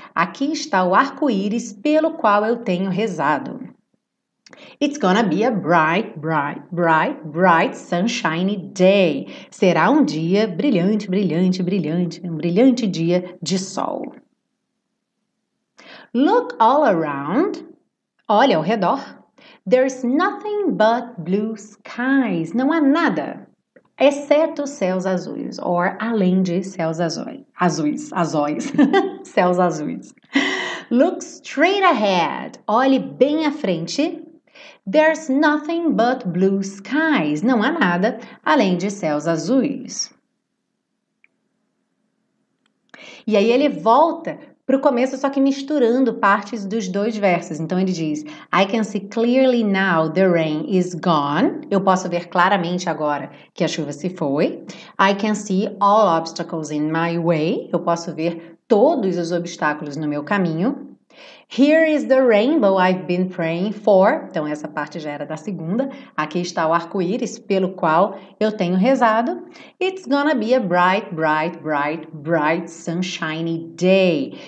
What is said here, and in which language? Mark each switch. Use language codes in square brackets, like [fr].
[pt] Aqui está o arco-íris pelo qual eu tenho rezado. [en] It's gonna be a bright, bright, bright, bright, sunshiny day. [pt] Será um dia brilhante, brilhante, brilhante, um brilhante dia de sol. [en] Look all around. [pt] Olha ao redor. [en] There's nothing but blue skies. [pt] Não há nada, exceto céus azuis. Or além de céus azuis. Azuis. Céus azuis. [en] Look straight ahead. [pt] Olhe bem à frente. [en] There's nothing but blue skies. [pt] Não há nada além de céus azuis. E aí ele volta para o começo, só que misturando partes dos dois versos. Então, ele diz, [en] I can see clearly now the rain is gone. [pt] Eu posso ver claramente agora que a chuva se foi. [en] I can see all obstacles in my way. [pt] Eu posso ver todos os obstáculos no meu caminho. [en] Here is the rainbow I've been praying for. [pt] Então, essa parte já era da segunda. Aqui está o arco-íris pelo qual eu tenho rezado. [en] It's gonna be a bright, bright, bright, bright, sunshiny day.